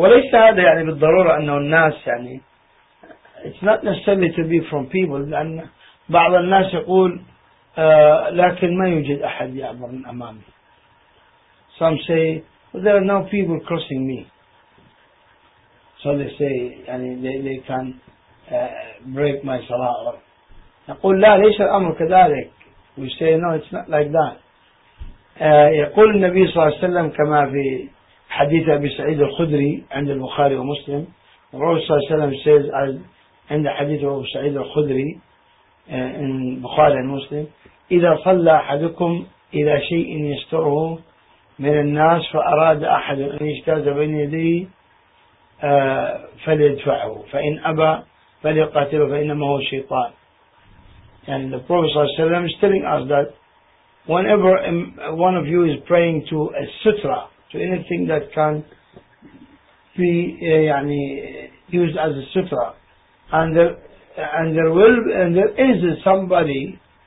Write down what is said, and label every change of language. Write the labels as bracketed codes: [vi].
[ar] وليس هذا يعني بالضرورة أنه الناس يعني [en] it's not necessarily to be from people, [ar] لأن بعض الناس يقول لكن ما يوجد أحد يعبر من أمامي. [en] Some say there are no people crossing me, so they say يعني they can break my salah. [ar] يقول لا ليش الأمر كذلك. [en] We say no, it's not like that. [ar] يقول النبي صلى الله عليه وسلم كما في حديث أبي سعيد الخدري عند البخاري ومسلم. الرسول صلى الله عليه وسلم says عند حديث أبو سعيد الخدري إن بخاري المسلم إذا صلى أحدكم إلى شيء يستره من الناس فأراد أحد أن يجتاز بين يديه فليدفعه فإن أبى فليقاتله فإنما هو شيطان. [en] And the Prophet صلى الله عليه وسلم is telling us that whenever one of you is praying to a sutra, to anything that can be used as a sutra, and there is somebody